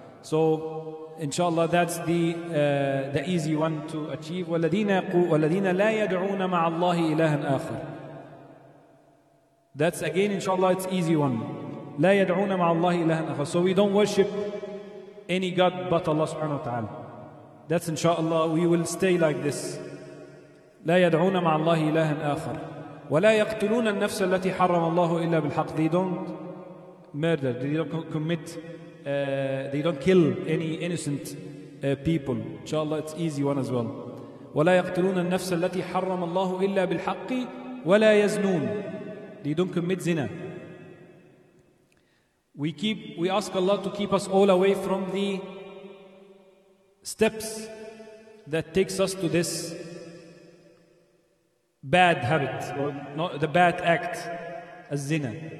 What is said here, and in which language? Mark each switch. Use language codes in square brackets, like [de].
[en] So inshallah that's the easy one to achieve. [ar] وَالَّذِينَ لَا يَدْعُونَ مَعَ اللَّهِ إِلَهًا آخَرٍ. [en] That's again inshallah it's easy one. [ar] لَا يَدْعُونَ مَعَ اللَّهِ إِلَهًا آخَرٍ. [en] So we don't worship any God but Allah subhanahu wa ta'ala. That's inshallah we will stay like this. [ar] لا يدعون مع الله إلها آخر ولا يقتلون النفس التي حرم الله إلا بالحق. [en] They don't murder, they don't commit, they don't kill any innocent people. Inshallah it's easy one as well. [ar] ولا يقتلون النفس التي حرم الله إلا بالحق ولا يزنون. [en] They don't commit zina. We ask Allah to keep us all away from the steps that takes us to this bad habit, or not the bad act, al-zina.